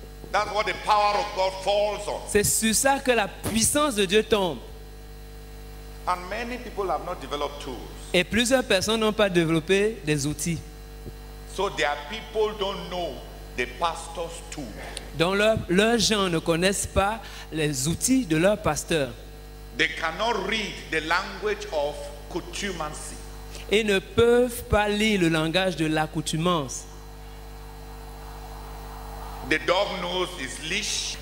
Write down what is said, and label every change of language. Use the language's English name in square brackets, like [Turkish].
[English] That's what the power of God falls on. [French] C'est sur ça que la puissance de Dieu tombe. [English] And many people have not developed tools. [French] Et plusieurs personnes n'ont pas développé des outils. [English] So there are people don't know the pastor's tool. [French] Donc leurs gens ne connaissent pas les outils de leur pasteur. [English] They cannot read the language of accoutumancy. [French] Ils ne peuvent pas lire le langage de l'accoutumance. [English] The dog knows his leash.